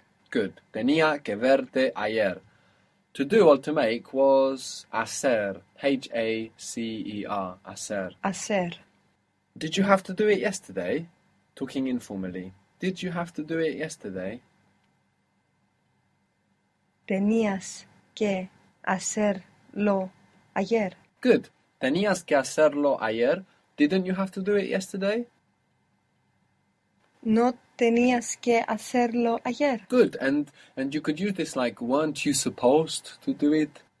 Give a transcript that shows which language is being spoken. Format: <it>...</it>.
<en>Good.</en> <es>Tenía que verte ayer.</es> <en>To do or to make was hacer.</en> <es>Hacer. Hacer. Hacer.</es> <en>Did you have to do it yesterday? Talking informally. Did you have to do it yesterday?</en> <es>Tenías que hacerlo ayer.</es> <en>Good.</en> <es>Tenías que hacerlo ayer.</es> <en>Didn't you have to do it yesterday?</en> <es>No tenías que hacerlo ayer.</es> <en>Good, and you could use this like, weren't you supposed to do it?</en>